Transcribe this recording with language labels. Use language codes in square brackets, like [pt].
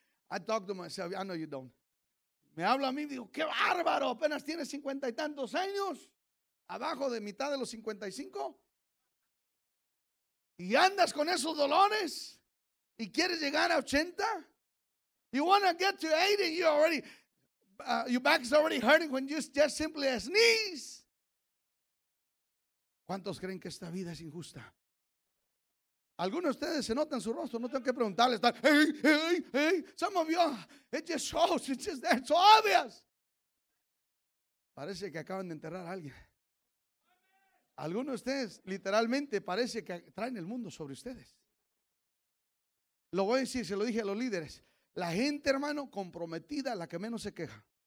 [en] I talk to myself, I know you don't. [es] Me hablo a mí, digo, qué bárbaro, apenas tienes 50 y tantos años. Abajo de mitad de los 55. Y andas con esos dolores. Y quieres llegar a 80. [en] You want to get to 80, you already, your back is already hurting when you just simply sneeze. [es] ¿Cuántos creen que esta vida es injusta? Algunos de ustedes se notan su rostro, no tengo que preguntarles. [en] Hey. Some of you, it just shows, it's just there, it's obvious. [es] Parece que acaban de enterrar a alguien. Algunos de ustedes, literalmente, parece que traen el mundo sobre ustedes. Lo voy a decir, se lo dije a los líderes. La gente, hermano, comprometida, la que menos se queja.